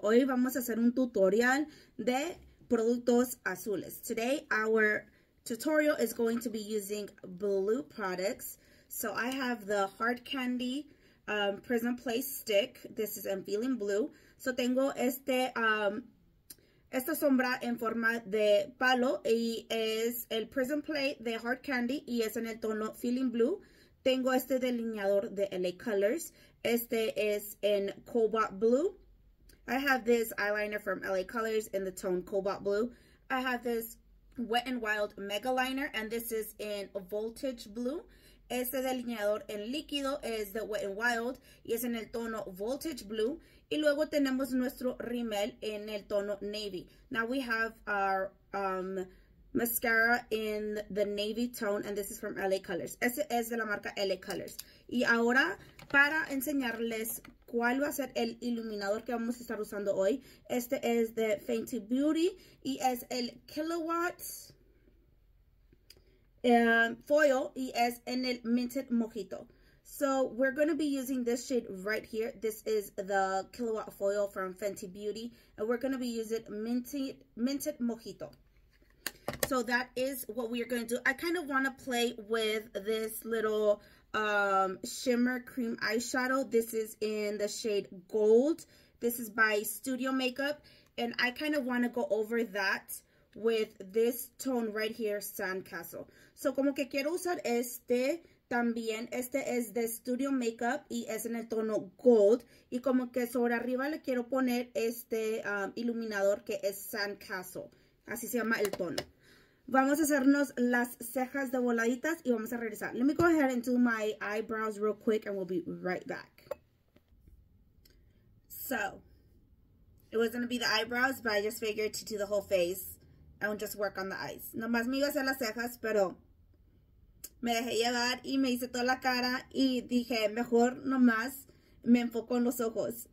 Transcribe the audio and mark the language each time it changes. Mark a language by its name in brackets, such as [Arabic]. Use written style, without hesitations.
[Spanish] Hoy vamos a hacer un tutorial de productos azules. [English] Today our tutorial is going to be using blue products. So I have the hard candy prism play stick. This is in feeling blue. [Spanish] So tengo esta sombra en forma de palo y es el prism play de hard candy y es en el tono feeling blue. Tengo este delineador de LA Colors. Este es en cobalt blue. [English] I have this eyeliner from LA Colors in the tone cobalt blue. I have this Wet n Wild mega liner, and this is in voltage blue. [Spanish] Este delineador en líquido es de Wet n Wild y es en el tono voltage blue. Y luego tenemos nuestro rimel en el tono navy. [English] Now we have our mascara in the navy tone, and this is from LA Colors. [Spanish] Este es de la marca LA Colors. Y ahora, para enseñarles cuál va a ser el iluminador que vamos a estar usando hoy, este es de Fenty Beauty y es el kilowatts foil y es en el minted mojito. [English] So we're going to be using this shade right here. This is the kilowatt foil from Fenty Beauty, and we're going to be using minted mojito. So that is what we are going to do. I kind of want to play with this little shimmer cream eyeshadow. This is in the shade Gold. This is by Studio Makeup. And I kind of want to go over that with this tone right here, Sandcastle. [Spanish] So como que quiero usar este también. Este es de Studio Makeup y es en el tono Gold. Y como que sobre arriba le quiero poner este iluminador que es Sandcastle. Así se llama el tono. Vamos a hacernos las cejas de voladitas y vamos a regresar. [English] Let me go ahead and do my eyebrows real quick and we'll be right back. So, it was going to be the eyebrows, but I just figured to do the whole face and just work on the eyes. [Spanish] Nomás me iba a hacer las cejas, pero me dejé llevar y me hice toda la cara y dije, mejor nomás me enfoco en los ojos.